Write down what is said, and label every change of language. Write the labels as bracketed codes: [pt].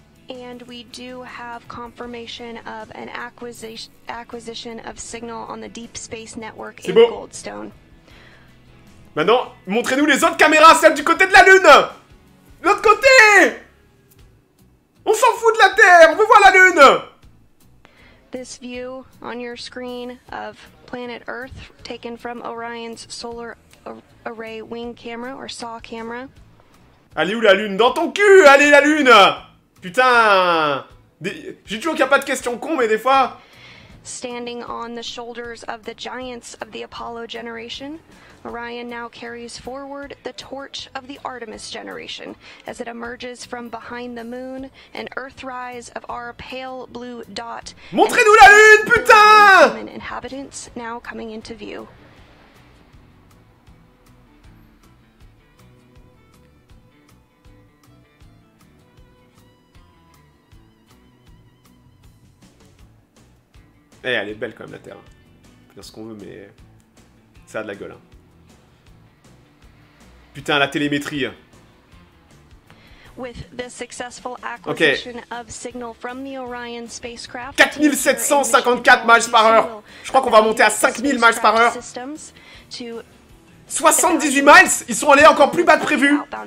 [en] And we do have confirmation of an acquisition of signal on the Deep Space Network [fr] C'est [en] in [fr] beau. [en] Goldstone. [fr] Maintenant, montrez-nous les autres caméras, celles du côté de la Lune. L'autre côté. On s'en fout de la Terre, on veut voir la Lune. [en] This view on your screen of planet Earth taken from Orion's solar array wing camera or SAW camera. [fr] Allez où la Lune? Dans ton cul, allez la Lune. Putain, j'ai toujours qu'il n'y a pas de questions cons, mais des fois... [en] Standing on the shoulders of the giants of the Apollo generation, Orion now carries forward the torch of the Artemis generation as it emerges from behind the moon and Earthrise of our pale blue dot... [fr] Montrez-nous la Lune, putain! [en] ...and inhabitants now coming into view. [fr] Eh, elle est belle quand même la Terre. On peut dire ce qu'on veut, mais ça a de la gueule. Hein. Putain, la télémétrie. [en] With the successful acquisition of signal from the Orion spacecraft, [fr] 4754 miles par heure. Je crois qu'on va monter à 5000 miles par heure. 78 miles, ils sont allés encore plus bas de prévu.